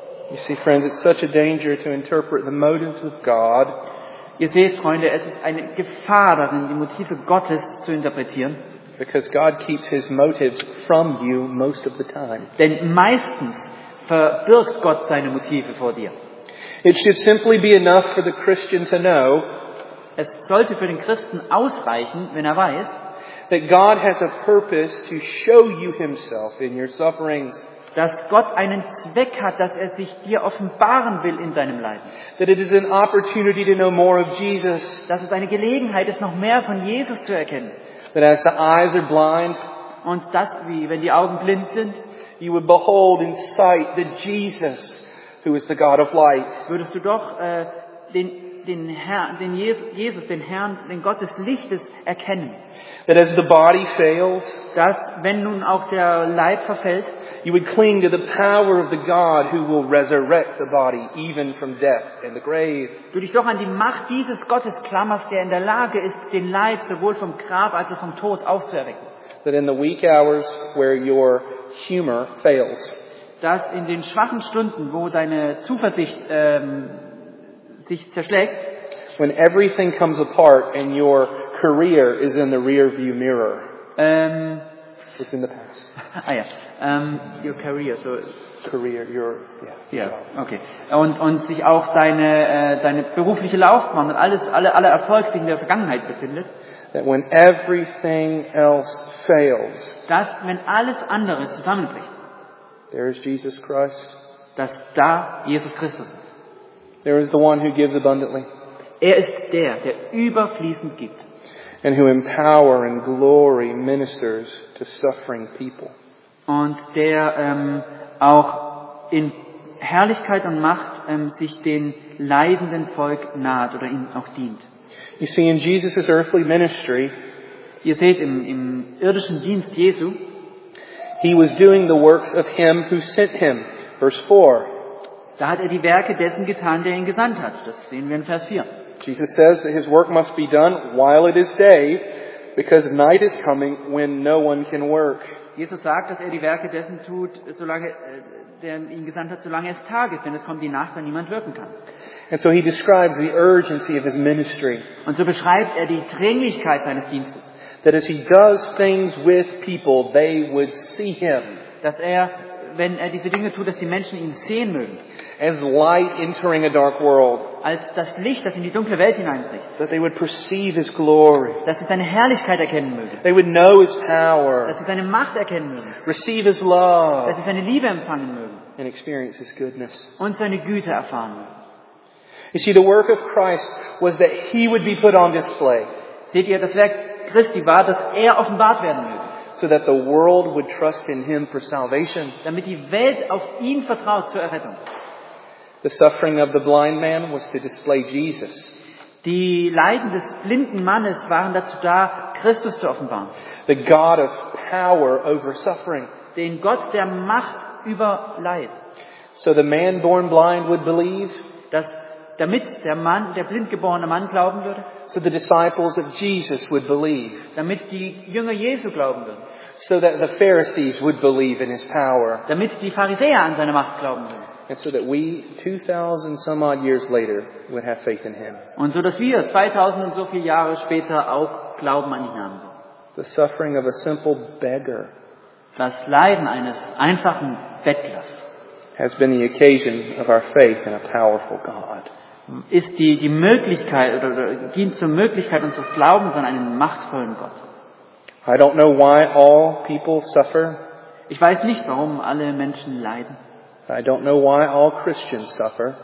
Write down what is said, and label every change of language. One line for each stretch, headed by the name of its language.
English: You see, friends, it's such a danger to interpret the motives of God.
German: Ihr seht, Freunde, es ist eine Gefahr darin, die Motive Gottes zu interpretieren.
English: Because God keeps his motives from you most of the time.
German: Denn meistens verbirgt Gott seine Motive vor dir.
English: It should simply be enough for the Christian to know.
German: Es sollte für den Christen ausreichen, wenn er weiß,
English: that God has a purpose to show you himself in your sufferings.
German: Dass Gott einen Zweck hat, dass er sich dir offenbaren will in deinem Leiden.
English: That it is an opportunity to know more of Jesus.
German: Dass es eine Gelegenheit ist, noch mehr von Jesus zu erkennen.
English: That as the eyes are blind,
German: und dass, wie wenn die Augen blind sind,
English: you would behold in sight the Jesus, who is the God of light.
German: Würdest du doch den Herrn, den Jesus, den Herrn, den Gott des Lichtes erkennen.
English: That as the body fails,
German: dass wenn nun auch der Leib verfällt,
English: you would cling to the power of the God who will resurrect the body even from death and the grave.
German: Du dich doch an die Macht dieses Gottes klammerst, der in der Lage ist, den Leib sowohl vom Grab als auch vom Tod aufzuerwecken.
English: That in the weak hours where your humor fails,
German: dass in den schwachen Stunden, wo deine Zuversicht sich zerschlägt,
English: when everything comes apart and your career is in the rearview mirror, is in the past.
German: Ah ja.
English: Your career, so career, your yeah. Okay.
German: Und sich auch seine berufliche Laufbahn und alle Erfolge, die in der Vergangenheit befindet.
English: That when everything else fails.
German: Dass wenn alles andere zusammenbricht.
English: There is Jesus Christ.
German: Dass da Jesus Christus ist.
English: There is the one who gives abundantly.
German: Er ist der überfließend gibt.
English: And who empower and glory ministers to suffering people.
German: Und der auch in Herrlichkeit und Macht sich den leidenden Volk naht oder ihnen auch dient.
English: You see, in Jesus' earthly ministry,
German: ihr seht im irdischen Dienst Jesu,
English: he was doing the works of him who sent him. Verse 4.
German: Da hat die Werke dessen getan, der ihn gesandt hat. Das sehen wir in Vers 4.
English: Jesus says that his work must be done while it is day, because night is coming when no one can work.
German: Jesus sagt, dass die Werke dessen tut, solange der ihn gesandt hat, solange es Tag ist, denn es kommt die Nacht, wenn niemand wirken kann.
English: And so he describes the urgency of his ministry.
German: Und so beschreibt die Dringlichkeit seines Dienstes.
English: That as he does things with people, they would see him.
German: Dass wenn diese Dinge tut, dass die Menschen ihn sehen mögen.
English: As light entering a dark world.
German: Als das Licht, das in die dunkle Welt hineinbricht.
English: That they would perceive his glory.
German: Dass sie seine Herrlichkeit erkennen mögen.
English: They would know his power.
German: Dass sie seine Macht erkennen mögen.
English: Receive his love.
German: Dass sie seine Liebe empfangen mögen.
English: And experience his goodness.
German: Und seine Güte erfahren mögen.
English: You see, the work of Christ was that he would be put on display.
German: Seht ihr, das Werk Christi war, dass offenbart werden möge.
English: So that the world would trust in him for salvation.
German: Damit die Welt auf ihn vertraut zur Errettung.
English: The suffering of the blind man was to display Jesus.
German: Die Leiden des blinden Mannes waren dazu da, Christus zu offenbaren.
English: The God of power over suffering.
German: Den Gott der Macht über Leid.
English: So the man born blind would believe.
German: Dass damit der blindgeborene Mann glauben würde.
English: So the disciples of Jesus would believe.
German: Damit die Jünger Jesu glauben würden.
English: So that the Pharisees would believe in his power.
German: Damit die Pharisäer an seine Macht glauben würden.
English: And so that we 2000 some odd years later would have faith in him.
German: Und so dass wir 2000 und so viele Jahre später auch Glauben an ihn haben.
English: The suffering of a simple beggar.
German: Das Leiden eines einfachen Bettlers.
English: Has been the occasion of our faith in a powerful God.
German: Ist die Möglichkeit oder dient zur Möglichkeit unseres Glaubens an einen machtvollen Gott.
English: I don't know why all people suffer.
German: Ich weiß nicht, warum alle Menschen leiden.
English: I don't know why all Christians suffer.